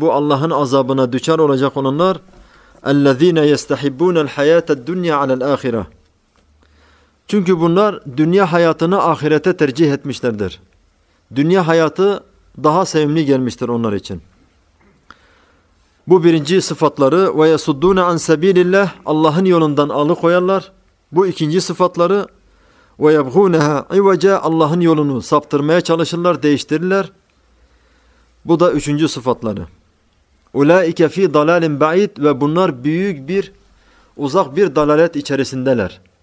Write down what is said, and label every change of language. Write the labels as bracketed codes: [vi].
[tr] Bu Allah'ın azabına düçar olacak olanlar. [ar] اَلَّذ۪ينَ يَسْتَحِبُّونَ الْحَيَاةَ الدُّنْيَا عَلَى الْآخِرَةِ [tr] Çünkü bunlar dünya hayatını ahirete tercih etmişlerdir. Dünya hayatı daha sevimli gelmiştir onlar için. Bu birinci sıfatları. [ar] وَيَسُدُّونَ عَنْ سَب۪يلِ اللّٰهِ [tr] Allah'ın yolundan alıkoyarlar. Bu ikinci sıfatları. [ar] وَيَبْغُونَهَا اِوَجَا [tr] Allah'ın yolunu saptırmaya çalışırlar, değiştirirler. Bu da üçüncü sıfatları. [ar] Ulaike fi dalalin ba'id, [tr] ve bunlar büyük bir, uzak bir dalalet içerisindeler.